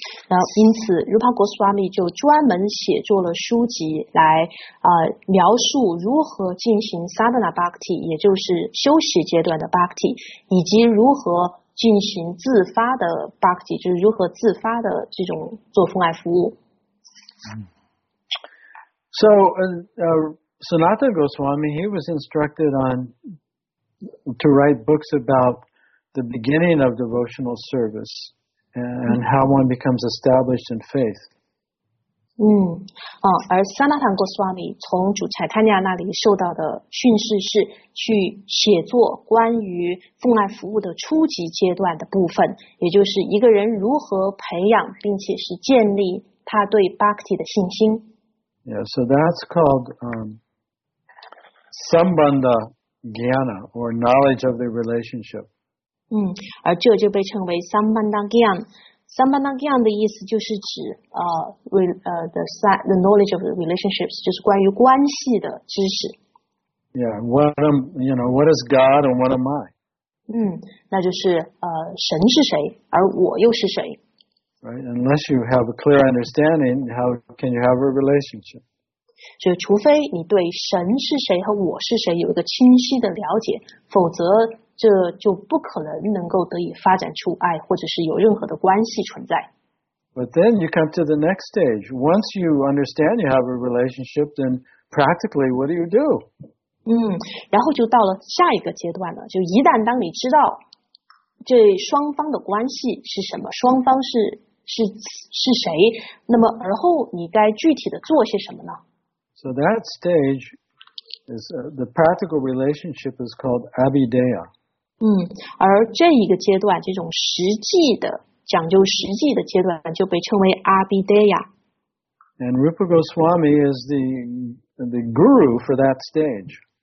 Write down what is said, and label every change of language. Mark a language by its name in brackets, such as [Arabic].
[Chinese] 然后因此 Rupa Goswami 就专门写作了书籍来描述如何进行 sadhana bhakti, 也就是休息阶段的 bhakti, 以及如何进行自发的 bhakti, 就是如何自发的这种做奉爱服务。 [English] Sanatana Goswami, he was instructed on to write books about the beginning of devotional service and how one becomes established in faith. [Chinese] 而萨纳坦·戈斯瓦米从主柴坦尼亚那里受到的训示是去写作关于奉爱服务的初级阶段的部分，也就是一个人如何培养并且是建立他对 Bhakti 的信心。 [English] Yeah, so that's called Sambandha Jnana or knowledge of the relationship. [Chinese] 而这就被称为 Sambandha Jnana。Sambandha Jnana 的意思就是指 [English] the knowledge of the relationships, [Chinese] 就是关于关系的知识。 [English] Yeah, what is God and what am I? [Chinese] 那就是神是谁，而我又是谁。 [English] Right, unless you have a clear understanding, how can you have a relationship? [Chinese] 就除非你对神是谁和我是谁有一个清晰的了解，否则这就不可能能够得以发展出爱，或者是有任何的关系存在。 [English] But then you come to the next stage. Once you understand you have a relationship, then practically what do you do? [Chinese] 然后就到了下一个阶段了，就一旦当你知道这双方的关系是什么，双方是谁，那么而后你该具体的做些什么呢？ [English] So that stage is the practical relationship is called Abhideya. [Chinese] 而这一个阶段，这种实际的讲究实际的阶段就被称为 Abhideya. [English] And Rupa Goswami is the guru for that stage.